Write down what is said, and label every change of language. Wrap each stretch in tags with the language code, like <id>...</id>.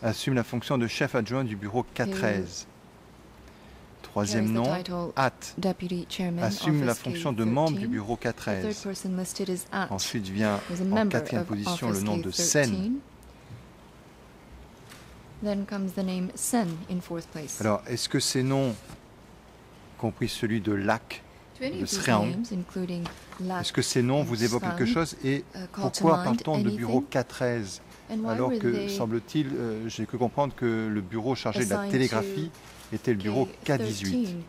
<fr>Assume la fonction de chef adjoint du bureau K13. Troisième nom, At, assume la fonction de membre du bureau K13. Ensuite vient en quatrième position le nom de Sen.</fr> <en>Then comes the name Sen in fourth place.</en> <fr>Alors, est-ce que ces noms, compris celui de Lac, de Sreang, est-ce que ces noms vous évoquent quelque chose et pourquoi parle-t-on de bureau K13 alors que, semble-t-il, j'ai cru comprendre que le bureau chargé de la télégraphie était le bureau K18.</fr>